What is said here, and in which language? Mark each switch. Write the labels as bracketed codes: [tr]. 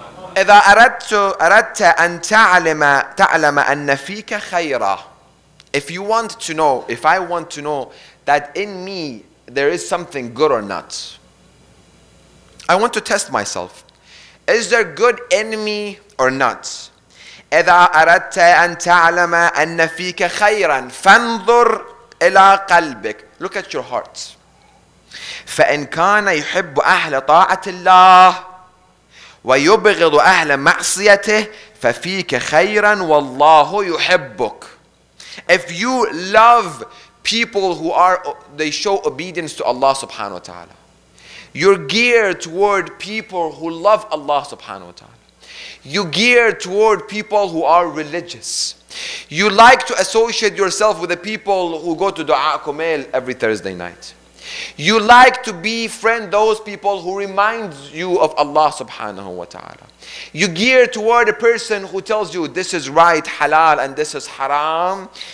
[ar] إذا أردت أن تعلم أن فيك خيرا. [en] If you want to know, if I want to know that in me there is something good or not, I want to test myself. Is there good in me or not? [ar] إذا أردت أن تعلم أن فيك خيرا فانظر إلى قلبك. [en] Look at your heart. [ar] فإن كان يحب أهل طاعة الله ويبغض أهل معصيته ففيك خيرا والله يحبك. [en] If you love people who are, they show obedience to Allah subhanahu wa ta'ala, you're geared toward people who love Allah subhanahu wa ta'ala, you gear toward people who are religious, you like to associate yourself with the people who go to Dua Kumail every Thursday night, you like to befriend those people who remind you of Allah subhanahu wa ta'ala, you gear toward a person who tells you this is right, halal, and this is haram.